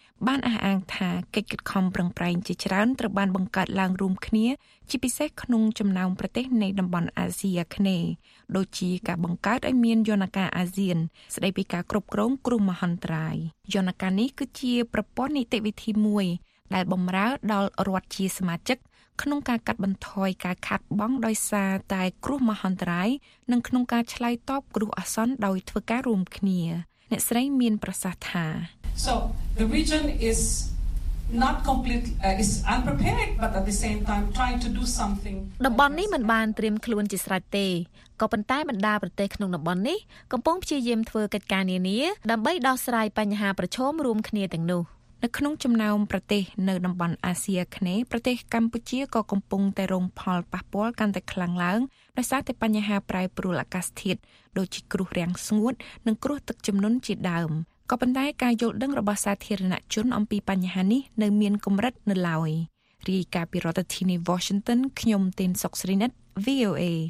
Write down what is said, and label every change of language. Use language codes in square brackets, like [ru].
[km] បានអះអាងថាកិច្ចខិតខំប្រឹងប្រែងជាច្រើនត្រូវបានបង្កើតឡើងរួមគ្នាជាពិសេសក្នុងចំណោមប្រទេសនៃតំបន់អាស៊ីអាគ្នេយ៍ដូចជាការបង្កើតឱ្យមានយន្តការអាស៊ានស្ដីពីការគ្រប់គ្រងគ្រោះមហន្តរាយយន្តការនេះគឺជាប្រព័ន្ធនីតិវិធីមួយដែលបម្រើដល់រដ្ឋជាសមាជិកក្នុងការកាត់បន្ថយការខាត់បងដោយសារតែគ្រោះមហន្តរាយនិងក្នុងការឆ្លើយតបគ្រោះអាសន្នដោយធ្វើការរួមគ្នាអ្នកស្រីមានប្រសាសន៍ថា [en] So the region is not complete is unprepared but at the same time trying to do something [km] តំបន់នេះមិនបានត្រៀមខ្លួនជាស្រេចទេក៏ប៉ុន្តែបណ្ដាប្រទេសក្នុងតំបន់នេះកំពុងព្យាយាមធ្វើកិច្ចការនានាដើម្បីដោះស្រាយបញ្ហាប្រឈមរួមគ្នាទាំងនោះ នៅក្នុងចំណោមប្រទេសនៅតំបន់អាស៊ីអាគ្នេយ៍ប្រទេសកម្ពុជាក៏កំពុងតែរងផលប៉ះពាល់កាន់តែខ្លាំងឡើងដោយសារតែបញ្ហាប្រែប្រួលអាកាសធាតុដូចជាគ្រោះរាំងស្ងួតនិងគ្រោះទឹកជំនន់ជាដើមក៏ប៉ុន្តែការយល់ដឹងរបស់សាធារណជនអំពីបញ្ហានេះនៅមានកម្រិតនៅឡើយរាយការណ៍ពីរដ្ឋធានី Washington ខ្ញុំទីនសុកស្រីនិត VOA